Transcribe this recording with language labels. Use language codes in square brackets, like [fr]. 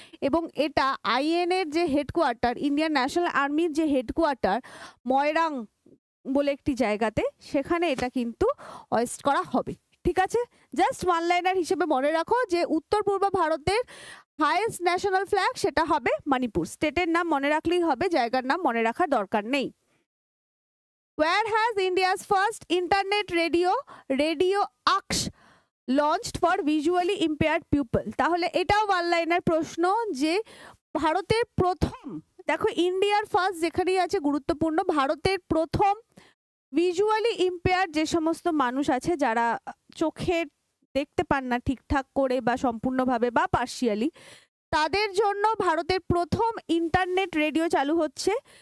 [bn] এবং এটা আইএনএর যে হেডকোয়ার্টার, ইন্ডিয়ান ন্যাশনাল আর্মির যে হেডকোয়ার্টার ময়রাং বলে একটি জায়গাতে, সেখানে এটা কিন্তু হোয়েস্ট করা হবে। ঠিক আছে, জাস্ট ওয়ান লাইনার হিসেবে মনে রাখো যে উত্তর পূর্ব ভারতের হাইয়েস্ট ন্যাশনাল ফ্ল্যাগ সেটা হবে মণিপুর। স্টেটের নাম মনে রাখলেই হবে, জায়গার নাম মনে রাখার দরকার নেই। [en] Where has India's first internet radio, Radio Aksh, launched for visually impaired people? [bn] তাহলে এটাও ওয়ান লাইনের প্রশ্ন যে ভারতের প্রথম, দেখো ইন্ডিয়ার ফার্স্ট যেখানেই আছে গুরুত্বপূর্ণ, ভারতের প্রথম ভিজুয়ালি ইম্পেয়ার যে সমস্ত মানুষ আছে যারা চোখে দেখতে পান না ঠিকঠাক করে বা সম্পূর্ণভাবে বা পার্শিয়ালি, তাদের জন্য ভারতের প্রথম ইন্টারনেট রেডিও চালু হচ্ছে।